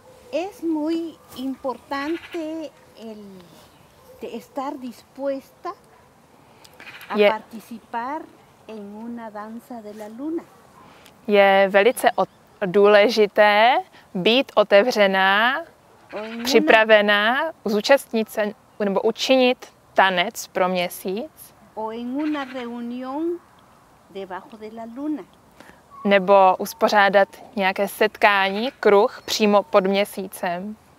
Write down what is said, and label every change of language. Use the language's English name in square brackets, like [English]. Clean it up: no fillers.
[Spanish] Es muy importante el de estar dispuesta a participar en una danza de la luna. [Czech] Je velice důležité být otevřená, připravená zúčastnit se nebo učinit tanec pro měsíc. [Spanish] O en una reunión debajo de la luna. [Czech] nebo uspořádat nějaké setkání, kruh přímo pod měsícem.